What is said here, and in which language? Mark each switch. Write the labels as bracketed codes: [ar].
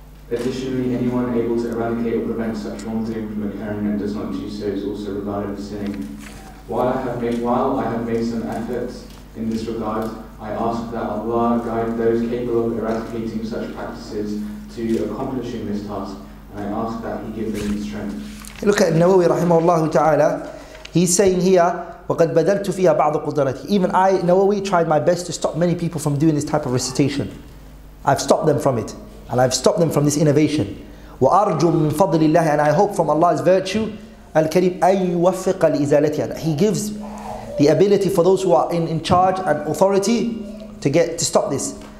[en] Additionally, anyone able to eradicate or prevent such wrongdoing from occurring and does not do so is also regarded as sinning. While I have made some efforts in this regard, I ask that Allah guide those capable of eradicating such practices to accomplishing this task, and I ask that He give them strength. Look at Nawawi rahimahullah ta'ala. He's saying here, [ar] وَقَدْ بَدَلْتُ فِيهَا بَعْضَ قُدْرَتِهِ. [en] Even I, Nawawi, tried my best to stop many people from doing this type of recitation. I've stopped them from it. And I've stopped them from this innovation. [ar] وَأَرْجُ مِنْ فَضْلِ اللَّهِ. [en] And I hope from Allah's virtue, [ar] الْكَرِيمِ أَنْ يُوَفِّقَ لِإِزَالَتِهَا. [en] He gives the ability for those who are in charge and authority to get to stop this.